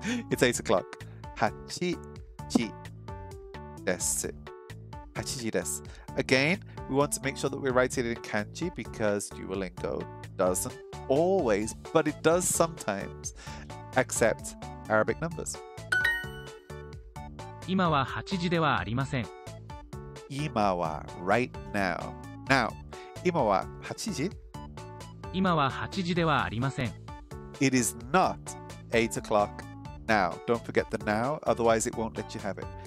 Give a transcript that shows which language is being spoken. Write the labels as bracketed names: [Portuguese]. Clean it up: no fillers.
[English] It's 8 o'clock. [Japanese] 8時です。8時です。 [English] Again, we want to make sure that we're writing it in kanji because Duolingo doesn't always, but it does sometimes, accept Arabic numbers. [Japanese] 今は8時ではありません。今は [English] right now. Now. [Japanese] 今は8時？今は8時ではありません。 [English] It is not 8 o'clock now. Don't forget the now, otherwise it won't let you have it.